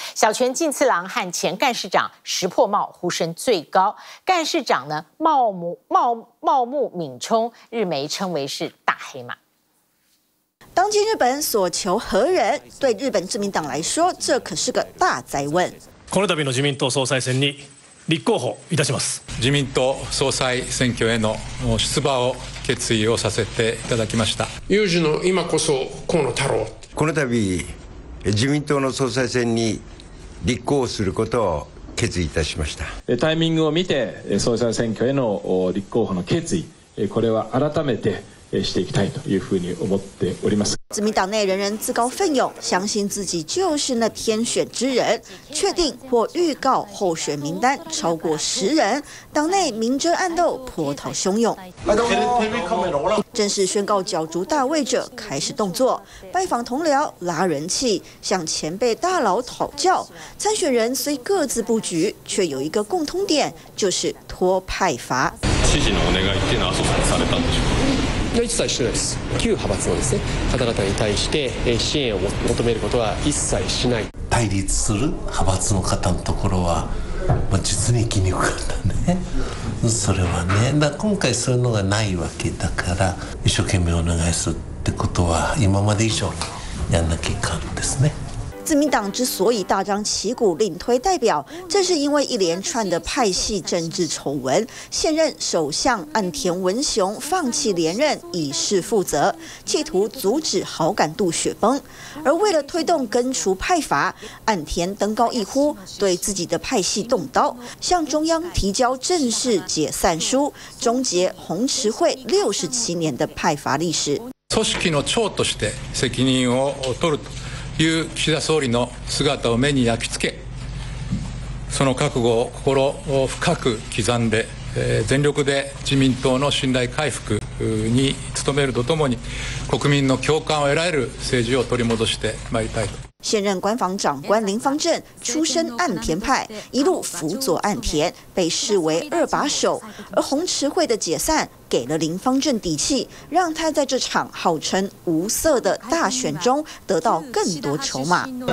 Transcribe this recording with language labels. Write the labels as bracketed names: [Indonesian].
[Chinese] 小泉进次郎和前干事长石破茂呼声最高，干事长呢茂木敏充，日媒称为是大黑马。当今日本所求何人？对日本自民党来说，这可是个大灾问。 [Japanese] この度の自民党総裁選に立候補いたします。自民党総裁選挙への出馬を決意をさせていただきました。有事の今こそ河野太郎。この度自民党の総裁選に立候補することを決意いたしました。タイミングを見て総裁選挙への立候補の決意、これは改めて。していきたいというふうに思っております。 [Chinese] 自民党内人人自告奋勇，相信自己就是那天选之人。确定或预告候选名单超过十人，党内明争暗斗，波涛汹涌。正式宣告角逐大位者开始动作，拜访同僚拉人气，向前辈大佬讨教。参选人虽各自布局，却有一个共通点，就是托派阀。 [Japanese] 支持のお願いっていうのは麻生さんされたんでしょうか。一切してないです。旧派閥のですね方々に対して支援を求めることは一切しない。対立する派閥の方のところは、まあ、実に気にくかったね。それはね、だ今回そういうのがないわけだから、一生懸命お願いするってことは今まで以上にやんなきゃいかんですね。 [Chinese] 自民党之所以大张旗鼓另推代表，正是因为一连串的派系政治丑闻。现任首相岸田文雄放弃连任以示负责，企图阻止好感度雪崩。而为了推动根除派阀，岸田登高一呼，对自己的派系动刀，向中央提交正式解散书，终结红池会67年的派阀历史。 [Japanese] 組織の長として責任を取ると。という岸田総理の姿を目に焼き付け、その覚悟を心を深く刻んで、全力で自民党の信頼回復に努めるとともに、国民の共感を得られる政治を取り戻してまいりたいと。 [Chinese] 现任官房长官林芳正出身岸田派，一路辅佐岸田，被视为二把手。而红池会的解散给了林芳正底气，让他在这场号称无色的大选中得到更多筹码。